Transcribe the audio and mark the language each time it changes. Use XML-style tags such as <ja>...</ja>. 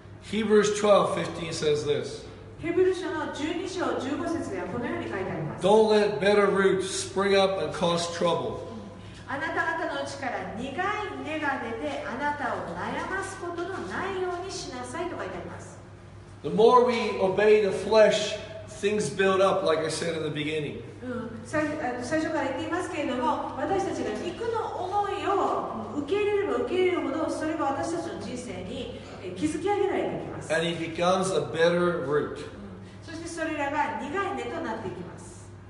<en>Hebrews 12:15 says this.</en> <ja>Hebrews 12:15 ではこのように書いてあります。</ja> <en>Don't let bitter roots spring up and cause trouble.</en> <ja>あなた方のうちから苦い根が出てあなたを悩ますことのないようにしなさいと書いてあります。</ja> <en>The more we obey the flesh, things build up, like I said in the beginning.</en> <ja>最初から言っていますけれども、私たちが肉の思いを受け入れれば受け入れるほど、それが私たちの人生に築き上げられていきます。</ja> <en>And it becomes a bitter root.</en> <ja>そしてそれらが苦い根となっていきます。</ja>